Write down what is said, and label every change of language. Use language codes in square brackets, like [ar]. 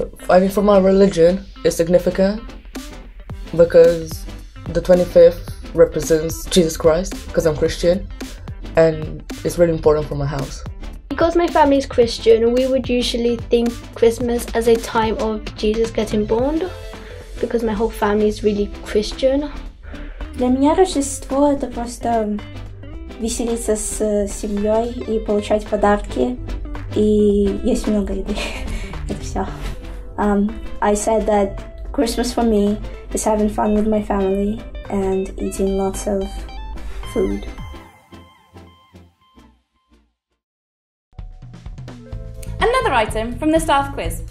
[en] I mean, for my religion it's significant because the 25th represents Jesus Christ, because I'm Christian, and it's really important for my house. Because my family is Christian, we would usually think Christmas as a time of Jesus getting born, because my whole family is really Christian. [ru] Для меня Рождество – это просто веселиться с семьей и получать подарки, и есть много еды. Это все. [en] I said that Christmas for me is having fun with my family and eating lots of food. Another item from the staff quiz.